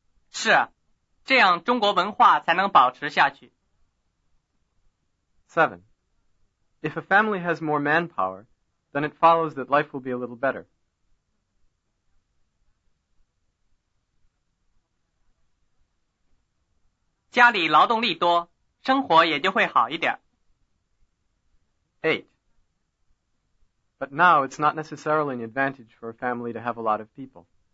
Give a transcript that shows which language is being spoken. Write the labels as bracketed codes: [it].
[zh] 是啊，这样中国文化才能保持下去。7. [en] If a family has more manpower, then it follows that life will be a little better. [zh] 家里劳动力多，生活也就会好一点。8. [en] But now it's not necessarily an advantage for a family to have a lot of people.